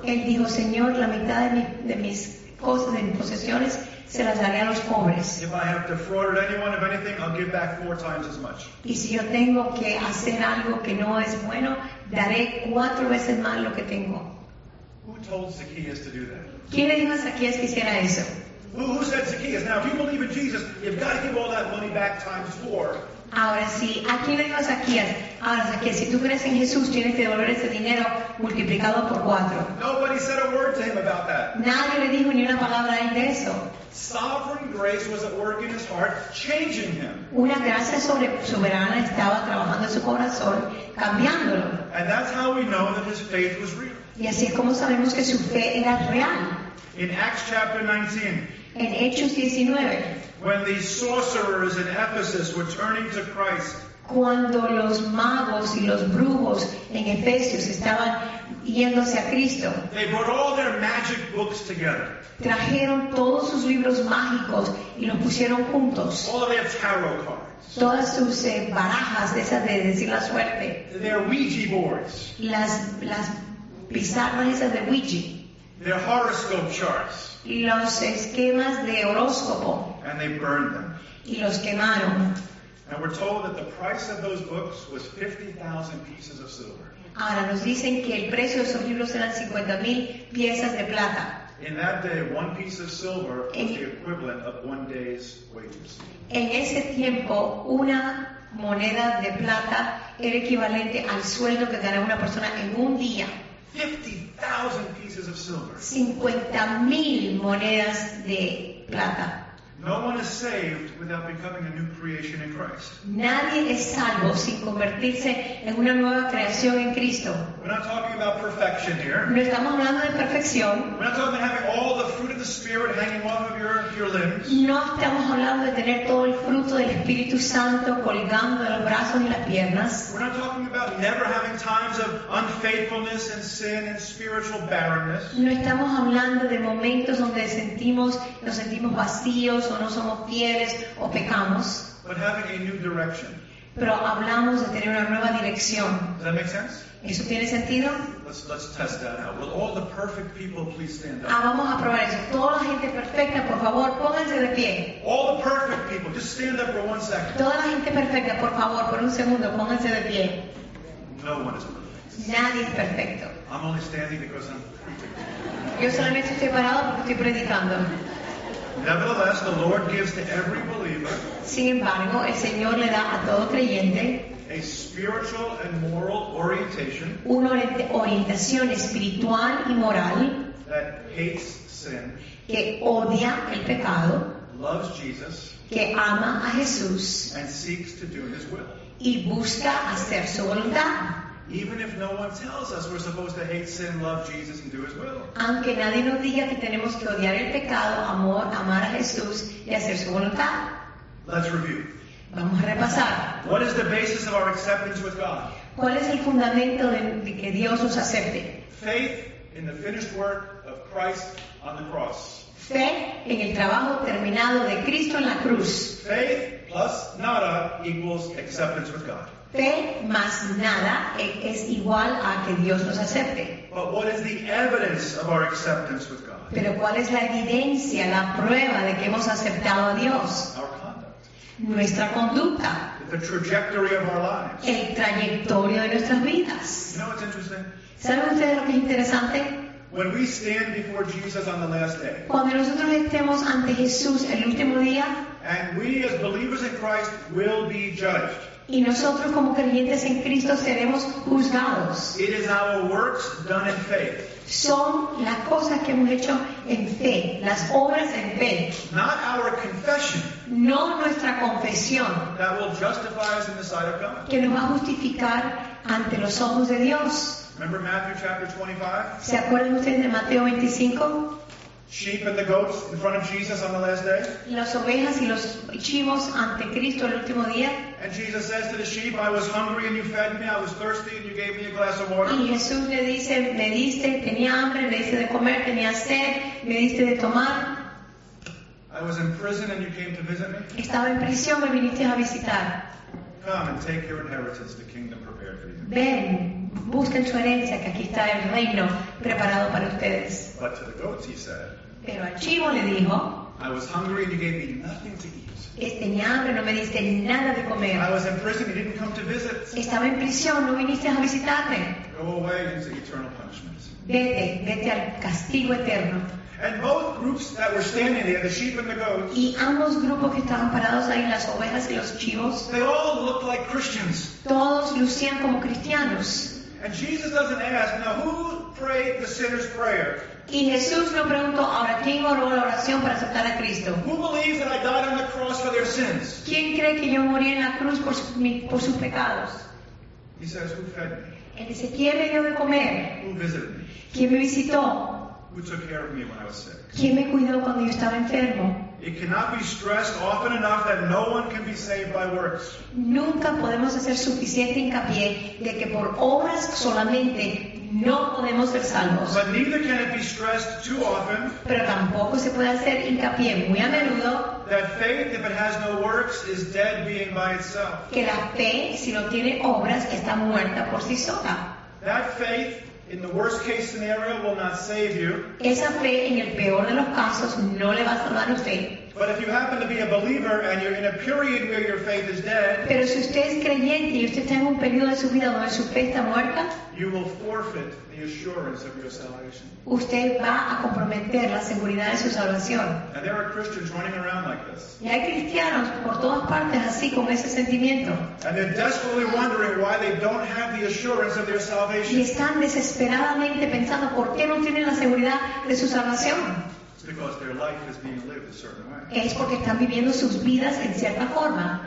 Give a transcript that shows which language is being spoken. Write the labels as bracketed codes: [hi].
[es] Él dijo, Señor, la mitad de mis cosas, de mis posesiones, se las daré a los pobres. [en] If I have defrauded anyone of anything, I'll give back four times as much. [es] Y si yo tengo que hacer algo que no es bueno, daré cuatro veces más lo que tengo. [en] Who told Zacchaeus to do that? [es] ¿Quién le dijo a Zacchaeus que hiciera eso? [en] Who said Zacchaeus? Now, if you believe in Jesus, you've got to give all that money back times four. [es] Ahora sí, ¿a quién le dijo Zacchaeus? Ahora Zacchaeus, si tú crees en Jesús, tienes que devolver ese dinero multiplicado por cuatro. [en] Nobody said a word to him about that. [es] Nadie le dijo ni una palabra de eso. [en] Sovereign grace was at work in his heart, changing him. [es] Una gracia soberana estaba trabajando en su corazón, cambiándolo. [en] And that's how we know that his faith was real. [es] Y así es como sabemos que su fe era real. [en] In Acts chapter 19. [es] En Hechos 19. [en] When the sorcerers in Ephesus were turning to Christ. [es] Cuando los magos y los brujos en Efesios estaban yéndose a Cristo. [en] They brought all their magic books together. [es] Trajeron todos sus libros mágicos y los pusieron juntos. [en] All their tarot cards. [es] Todas sus barajas de esas de decir la suerte. [en] Their Ouija boards. [es] Las pizarras esas de Ouija. [en] Their horoscope charts. [es] Los esquemas de horóscopo. [en] And they burned them. [es] Y los quemaron. [en] And we're told that the price of those books was 50,000 pieces of silver. [es] Ahora nos dicen que el precio de esos libros eran 50,000 piezas de plata. [en] In that day, one piece of silver was the equivalent of one day's wages. [es] En ese tiempo, una moneda de plata era equivalente al sueldo que ganaba una persona en un día. [en] 50,000 pieces of silver. [es] 50,000 monedas de plata. [en] No one is saved without becoming a new creation in Christ. [es] Nadie es salvo sin convertirse en una nueva creación en Cristo. [en] We're not talking about perfection here. [es] No estamos hablando de perfección. [en] We're not talking about having all the fruit of the Spirit hanging off of your limbs. [es] No estamos hablando de tener todo el fruto del Espíritu Santo colgando de los brazos y las piernas. [en] We're not talking about never having times of unfaithfulness and sin and spiritual barrenness. [es] No estamos hablando de momentos donde nos sentimos vacíos o no somos fieles o pecamos. [en] But having a new direction. [es] Pero hablamos de tener una nueva dirección. [en] Does that make sense? [es] ¿Eso tiene sentido? [en] Let's test that out. Will all the perfect people please stand up? [es] Vamos a probar eso. Toda la gente perfecta, por favor, pónganse de pie. [en] All the perfect people, just stand up for one second. [es] Toda la gente perfecta, por favor, por un segundo, pónganse de pie. [en] No one is perfect. [es] Nadie es perfecto. [en] I'm only standing because I'm preaching. [es] Yo solamente estoy parado porque estoy predicando. [en] Nevertheless, the Lord gives to every believer. [es] Sin embargo, el Señor le da a todo creyente [en] a spiritual and moral orientation. [es] Una orientación espiritual y moral [en] that hates sin. [es] Que odia el pecado. [en] Loves Jesus. [es] Que ama a Jesús. [en] And seeks to do His will. [es] Y busca hacer su voluntad. [en] Even if no one tells us we're supposed to hate sin, love Jesus, and do His will. [es] Aunque nadie nos diga que tenemos que odiar el pecado, amor, amar a Jesús y hacer su voluntad. [en] Let's review. [es] Vamos a repasar. [en] What is the basis of our acceptance with God? [es] ¿Cuál es el fundamento de que Dios nos acepte? [en] Faith in the finished work of Christ on the cross. [es] Fe en el trabajo terminado de Cristo en la cruz. [en] Faith plus [es] nada [en] equals acceptance with God. [es] Fe más nada es igual a que Dios nos acepte. [en] But what is the evidence of our acceptance with God? [es] Pero ¿cuál es la evidencia, la prueba de que hemos aceptado a Dios? [en] Our conduct. [es] Nuestra conducta. [en] The trajectory of our lives. [es] El trayectorio de nuestras vidas. [en] You know what's interesting? [es] ¿Saben ustedes lo que es interesante? [en] When we stand before Jesus on the last day. [es] Cuando nosotros estemos ante Jesús el último día. [en] And we as believers in Christ will be judged. [es] Y nosotros como creyentes en Cristo seremos juzgados. [en] It is our works done in faith. [es] Son las cosas que hemos hecho en fe, las obras en fe. [en] Not our confession. [es] No nuestra confesión. [en] That will justify us in the sight of God. [es] Que nos va a justificar ante los ojos de Dios. [en] Remember Matthew chapter 25? [es] ¿Se acuerdan ustedes de Mateo 25? [en] Sheep and the goats in front of Jesus on the last day. [es] Las ovejas y los chivos ante Cristo el último día. [en] And Jesus says to the sheep, I was hungry and you fed me. I was thirsty and you gave me a glass of water. [es] Y Jesús le dice, me diste, tenía hambre, me diste de comer, tenía sed, me diste de tomar. [en] I was in prison and you came to visit me. [es] Estaba en prisión, me viniste a visitar. [en] Come and take your inheritance, the kingdom prepared for you. [es] Ven. Busquen su herencia, que aquí está el reino preparado para ustedes. [en] But to the goats, he said, [es] pero al chivo le dijo, [en] I was hungry and you gave me nothing to eat. [es] Tenía hambre, no me diste nada de comer. [en] I was in prison, you didn't come to visit. [es] Estaba en prisión, no viniste a visitarme. [en] Go away into eternal punishment. [es] Vete, vete al castigo eterno. [en] And both groups that were standing there, the sheep and the goats, [es] y ambos grupos que estaban parados ahí, las ovejas y los chivos, [en] they all looked like Christians. [es] Todos lucían como cristianos. [en] And Jesus doesn't ask, now who prayed the sinner's prayer? [es] Y Jesús no preguntó, ahora ¿quién oró la oración para aceptar a Cristo? [en] Who believes that I died on the cross for their sins? [es] ¿Quién cree que yo morí en la cruz por sus pecados? [en] He says, who fed me? [es] Él dice, ¿quién me dio de comer? [en] Who visited me? [es] ¿Quién me visitó? [en] Who took care of me when I was sick? [es] ¿Quién me cuidó cuando yo estaba enfermo? [en] It cannot be stressed often enough that no one can be saved by works. [es] Nunca podemos hacer suficiente hincapié de que por obras solamente no podemos ser salvos. [en] But neither can it be stressed too often. [es] Pero tampoco se puede hacer hincapié muy a menudo. [en] That faith, if it has no works, is dead being by itself. [es] Que la fe, si no tiene obras, está muerta por sí sola. [en] That faith, in the worst case scenario, will not save you. [es] Esa fe en el peor de los casos no le va a salvar a usted. [en] But if you happen to be a believer and you're in a period where your faith is dead, [es] pero si usted es creyente y usted está en un periodo de su vida donde su fe está muerta, [en] you will forfeit the assurance of your salvation. [es] Usted va a comprometer la seguridad de su salvación. [en] And there are Christians running around like this. [es] Y hay cristianos por todas partes así con ese sentimiento. [en] And they're desperately wondering why they don't have the assurance of their salvation. [es] Y están desesperadamente pensando por qué no tienen la seguridad de su salvación. [en] Because their life is being lived a certain way. [es] Es porque están viviendo sus vidas en cierta forma.